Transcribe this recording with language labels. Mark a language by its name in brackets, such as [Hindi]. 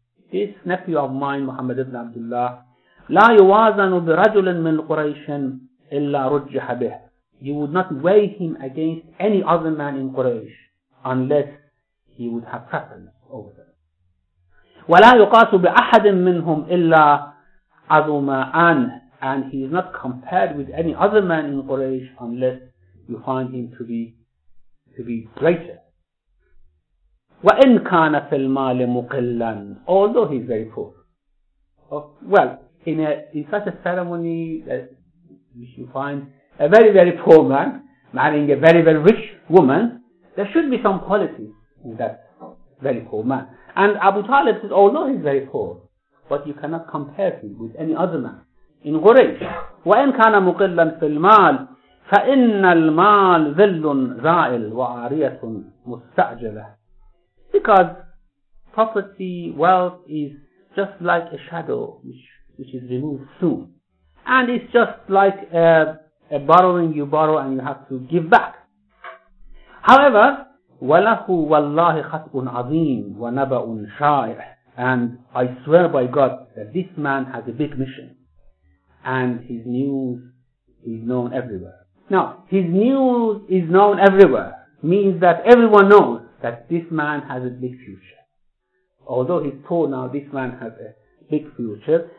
[English] This nephew of mine, Muhammad ibn Abdullah, [Arabic] لا يوازن برجل من قريش إلا رجح به. [English] You would not weigh him against any other man in Quraysh unless he would have preference over them. [Arabic] ولا يقاس بأحد منهم إلا عظم عنه. [English] And he is not compared with any other man in Quraysh unless you find him to be greater. [Arabic] وَإِنْ كَانَ فِي الْمَالِ مُقِلًّا. [English] Although he's very poor. Well, in such a ceremony that you find a very, very poor man marrying a very, very rich woman, there should be some qualities in that very poor man. And Abu Talib says, although he's very poor, but you cannot compare him with any other man in Quraysh. [Arabic] وَإِنْ كَانَ مُقِلًّا فِي الْمَالِ فَإِنَّ الْمَالِ ذِلٌّ ذَائِلٌ وَعَارِيَةٌ مُسْتَعْجَلَةٌ. [English] Because poverty, wealth is just like a shadow which is removed soon. And it's just like a borrowing, you borrow and you have to give back. [Arabic] However, وَلَهُ وَاللَّهِ خَطْءٌ عَظِيمٌ وَنَبَأٌ شَائِعٌ. [English] And I swear by God that this man has a big mission. And his news is known everywhere. Now, his news is known everywhere means that everyone knows that this man has a big future. Although he's poor now, this man has a big future.